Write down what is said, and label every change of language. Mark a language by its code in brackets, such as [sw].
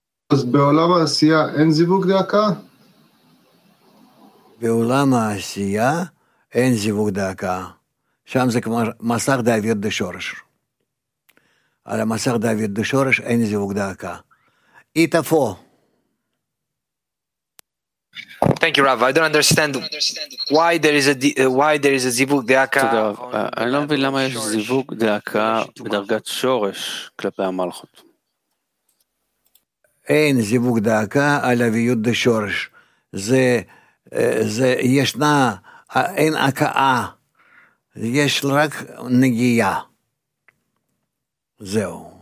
[he] אז בעולם העשייה אין זיווג דעקה? בעולם העשייה אין זיווג דעקה. שם זה כמו מסך דוד דשורש. על המסך דוד דשורש אין זיווג דעקה. איתפו. [en] Thank you, Rav. I don't understand why there is a zivug de'aka. [he] אני לא מבין למה יש זיווג דעקה בדרגת שורש כלפי המלכות. אין זיווג דעקה על אביות דשורש. זה ישנה, אין הקאה. יש רק נגיעה. זהו.